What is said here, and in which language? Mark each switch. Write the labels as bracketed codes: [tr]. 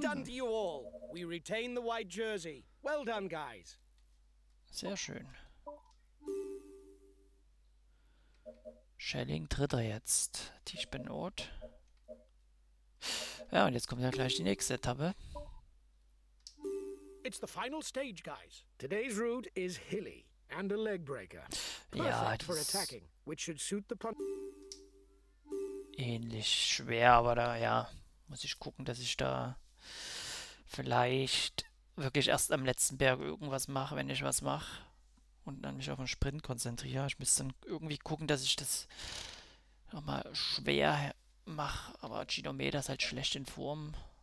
[en] Well done to you all. We retain the white jersey. Well done, guys. [de] Sehr schön. Schelling Dritter jetzt. Tisch Benot. Ja, und jetzt kommt ja gleich die nächste Etappe. [en] It's the final stage, guys. Today's route is hilly and a leg breaker. [de] Ja, [en] das for attacking, which should suit the pun- [de] ähnlich schwer, aber da, ja, muss ich gucken, dass ich da vielleicht wirklich erst am letzten Berg irgendwas mache, wenn ich was mache und dann mich auf den Sprint konzentriere. Ich müsste dann irgendwie gucken, dass ich das nochmal schwer mache, aber Ginometer ist halt schlecht in Form.